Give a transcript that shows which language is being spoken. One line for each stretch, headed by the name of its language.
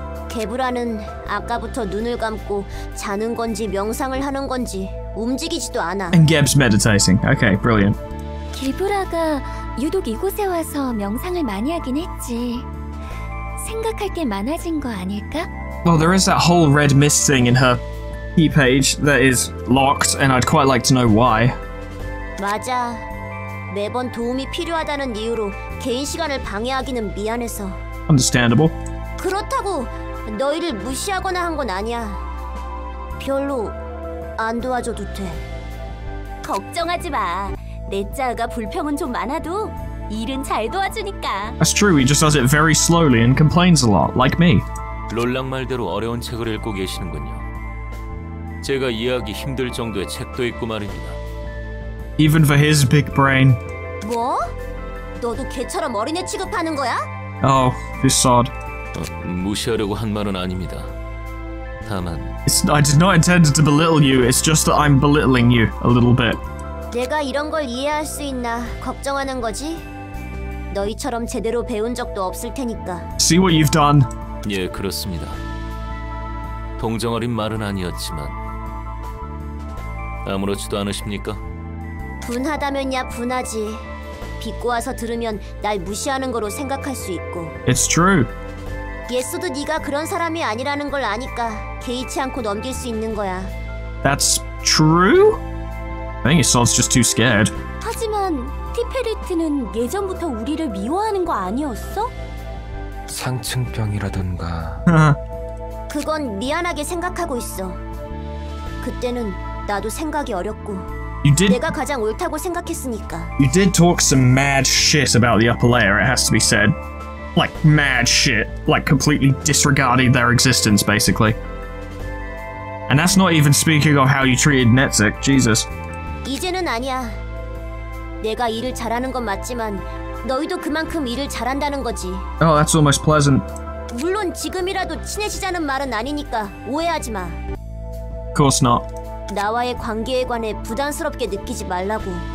Korean: 게브라는 아까부터 눈을 감고 자는 건지 명상을 하는 건지 움직이지도 않아.
English: And Geb's meditating. Okay, brilliant.
Korean: 게브라가 유독 이곳에 와서 명상을 많이 하긴 했지. 생각할 게 많아진 거 아닐까?
English: Well, there is that whole red mist thing in her key page that is locked, and I'd quite like to know why.
Korean: 맞아. 매번 도움이 필요하다는 이유로 개인 시간을 방해하기는 미안해서.
English: Understandable.
Korean: 그렇다고 너희를 무시하거나 한 건 아니야. 별로 안 도와줘도 돼. 걱정하지 마. 넷자가 불평은 좀 많아도 일은 잘 도와주니까.
English: That's true. He just does it very slowly and complains a lot, like me.
Korean: 롤랑 말대로 어려운 책을 읽고 계시는군요. 제가 이해하기 힘들 정도의 책도 있고 말입니다.
English: Even for his big brain.
Korean: 뭐? 너도 개처럼 어린애 취급하는 거야?
English: Oh, this sod.
Korean: 무시하려고 한 말은 아닙니다. 다만.
English: I did not intend to belittle you. It's just that I'm belittling you a little bit.
Korean: 내가 이런 걸 이해할 수 있나 걱정하는 거지? 너희처럼 제대로 배운 적도 없을 테니까.
English: See what you've done.
Korean: 예, 그렇습니다. 동정어린 말은 아니었지만. 아무렇지도 않으십니까? 분하다면야 분하지. 비꼬 와서 들으면 날 무시하는 거로 생각할 수 있고.
English: It's true.
Korean: 예수도 네가 그런 사람이 아니라는 걸 아니까 개의치 않고 넘길 수 있는 거야.
English: That's true? I think Sol's just too scared.
Korean: 하지만 티페리트는 예전부터 우리를 미워하는 거 아니었어? 상층병이라던가. 그건 미안하게 생각하고 있어. 그때는 나도 생각이 어렵고.
English: You did.
Korean: 내가 가장 옳다고 생각했으니까.
English: You did talk some mad shit about the upper layer, it has to be said. Like mad shit, like completely disregarding their existence, basically. And that's not even speaking of how you treated Netzik, Jesus.
Korean: 이제는 아니야. 내가 일을 잘하는 건 맞지만 너희도 그만큼 일을 잘한다는 거지.
English: Oh, that's almost pleasant.
Korean: 물론 지금이라도 친해지자는 말은 아니니까 오해하지 마.
English: Of course not.
Korean: 나와의 관계에 관해 부담스럽게 느끼지 말라고.